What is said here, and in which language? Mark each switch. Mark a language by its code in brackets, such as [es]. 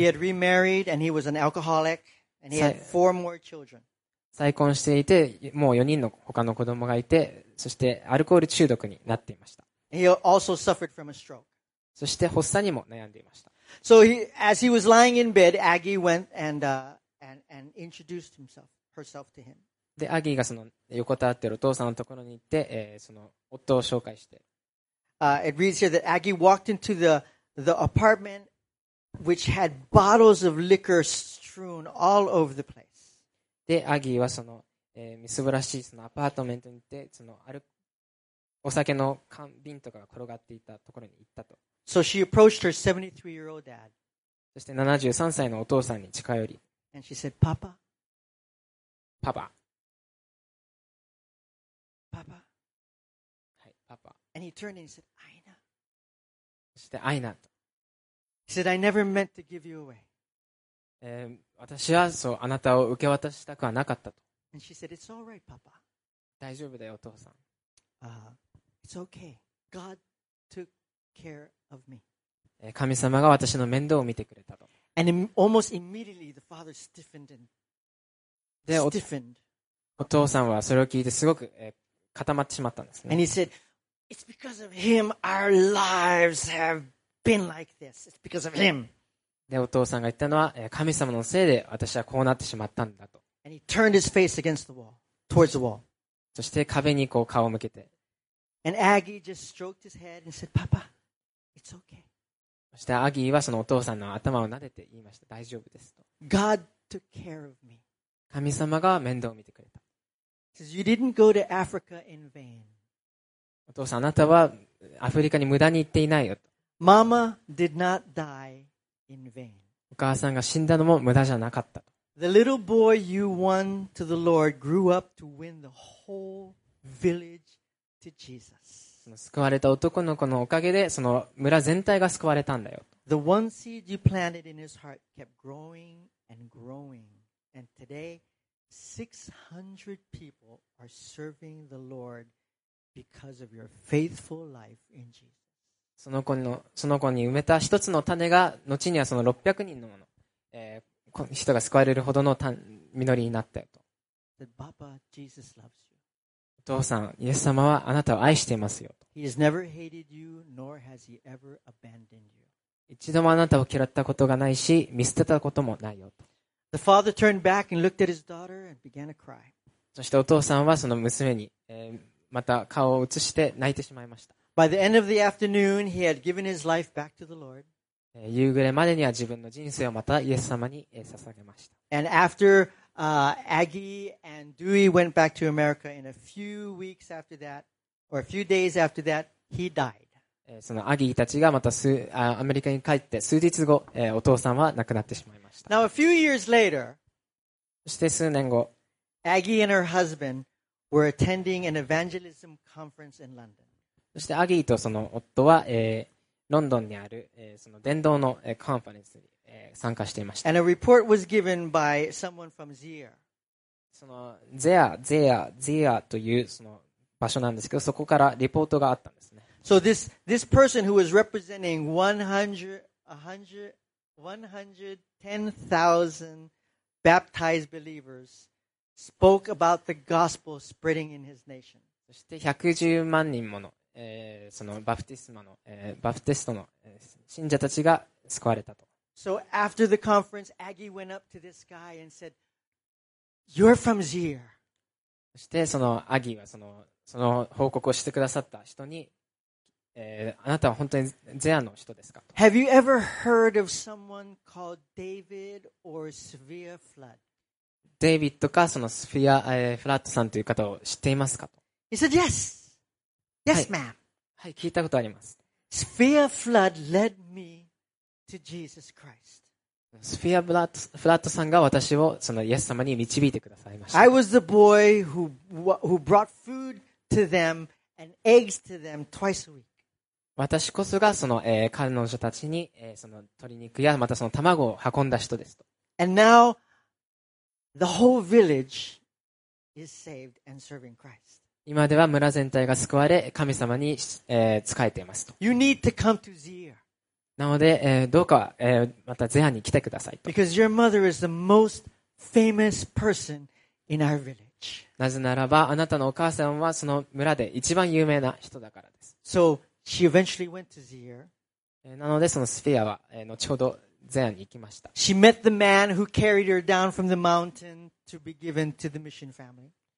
[en] He had remarried and he was an alcoholic and he had four more children. [ja] 再婚していてもう4人の他の子供がいてそしてアルコール中毒になっていました。 [en] He also suffered from a stroke. [ja] そして発作にも悩んでいました。 [en] So as he was lying in bed, Aggie went and introduced herself to him. [ja] でアギーがその横たわっているお父さんのところに行って、その夫を紹介して。 [en] It reads here that Aggie walked into the apartment which had bottles of liquor strewn all over the place. [ja] でアギーはその、みすぼらしいそのアパートメントに行って、そのあるお酒の缶瓶とかが転がっていたところに行ったと。 [en] So she approached her 73-year-old dad. [ja] そして73歳のお父さんに近寄り。 [en] And she said, Papa. [ja] パパ。パパ。はい、パパ。 [en] And he turned and said, Aina. [ja] そして、アイナと。 [en] He said, I never meant to give you away. [ja] 私はそう、あなたを受け渡したくはなかったと。 [en] And she said, It's alright, Papa. [ja] 大丈夫だよ、お父さん。 [en] It's okay. God took care of me. [ja] 神様が私の面倒を見てくれたと。 [en] And almost immediately, the father stiffened and stiffened. [ja] お父さんはそれを聞いてすごく、固まってしまったんですね。 [en] And he said, It's because of him our lives have been like this. It's because of him. [ja] で、お父さんが言ったのは、神様のせいで私はこうなってしまったんだと。 [en] And he turned his face against the wall, towards the wall. [ja] そして壁にこう顔を向けて。 [en] And Aggie just stroked his head and said, Papa, it's okay. [ja] そしてアギーはそのお父さんの頭を撫でて言いました。大丈夫ですと。 [en] God took care of me. [ja] 神様が面倒を見てくれた。 [en] You didn't go to Africa in vain. [ja] お父さん、あなたはアフリカに無駄に行っていないよと。 [en] Mama did not die in vain. [ja] お母さんが死んだのも無駄じゃなかったと。 [en] The little boy you won to the Lord grew up to win the whole village to Jesus. [ja] 救われた男の子のおかげで、その村全体が救われたんだよと。 [en] The one seed you planted in his heart kept growing and growing, and today. 600 people are serving the Lord because of your faithful life in Jesus. [ja] その子に埋めた一つの種が、後にはその600人のもの、人が救われるほどの実りになったよと。 [en] Papa, Jesus loves you. [ja] お父さん、イエス様はあなたを愛していますよと。 [en] He has never hated you, nor has he ever abandoned you. [ja] 一度もあなたを嫌ったことがないし、見捨てたこともないよと。 [en] The father turned back and looked at his daughter and began to cry. [ja] そしてお父さんはその娘に、また顔を映して泣いてしまいました。 [en] By the end of the afternoon, he had given his life back to the Lord. [ja] 夕暮れまでには自分の人生をまたイエス様に、捧げました。 [en] And after, Aggie and Dewey went back to America, in a few weeks after that, or a few days after that, he died. [ja] そのアギーたちがまたアメリカに帰って数日後、お父さんは亡くなってしまいました。 [en] Now a few years later, [ja] そして数年後、 [en] Aggie and her husband were attending an evangelism conference in London. [ja] そしてアギーとその夫は、ロンドンにある、その伝道の、カンファレンスに、参加していました。 [en] And a report was given by someone from Zia. [ja] そのゼア、ゼア、ゼアというその場所なんですけど、そこからリポートがあったんですね。 [en] So this person who was representing 110,000 baptized believers spoke about the gospel spreading in his nation. [ja] そして110万人ものそのバプティスマの、バプテストの、信者たちが救われたと。 [en] So after the conference, Aggie went up to this guy and said, "You're from Zier." [ja] そしてそのアギーはその報告をしてくださった人に、あなたは本当にゼアの人ですかと。 [en] Have you ever heard of someone called David or Sophia Flood? [ja] デイビッドかそのスフィア、フラットさんという方を知っていますかと。 [en] He said yes. Yes, ma'am. [ja] はい、はい、聞いたことあります。 [en] Sphere Flood led me to Jesus Christ. [ja] Sphere Flood さんが私をそのイエス様に導いてくださいました。 [en] I was the boy who brought food to them and eggs to them twice a week. [ja] 私こそがその、彼女たちに、その鶏肉やまたその卵を運んだ人ですと。 [en] And now the whole village is saved and serving Christ. [ja] 今では村全体が救われ神様に、仕えていますと。 [en] You need to come to Zia. [ja] なので、どうか、またゼアに来てくださいと。 [en] Because your mother is the most famous person in our village. [ja] なぜならばあなたのお母さんはその村で一番有名な人だからです。 [en] So she eventually went to Zia. [ja] なのでそのスフィアは、後ほどゼアに行きました。 [en] She met the man who carried her down from the mountain to be given to the mission family.